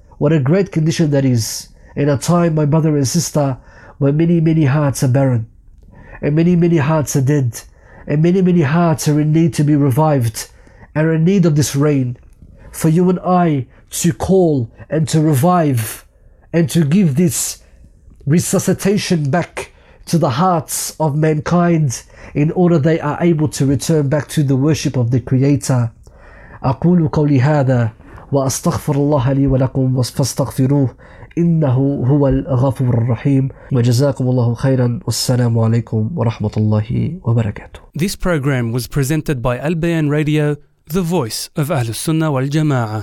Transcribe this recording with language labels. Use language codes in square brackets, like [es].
[en] What a great condition that is in a time, my brother and sister, where many, many hearts are barren, and many, many hearts are dead, and many, many hearts are in need to be revived, are in need of this rain. For you and I to call and to revive and to give this resuscitation back to the hearts of mankind in order they are able to return back to the worship of the Creator. [ar] أقول قولي هذا وأستغفر الله لي ولكم فاستغفروه إنه هو الغفور الرحيم وجزاكم الله خيرا والسلام عليكم ورحمة الله وبركاته. [en] This program was presented by Al Bayan Radio, the voice of Ahlus Sunnah wal Jama'ah.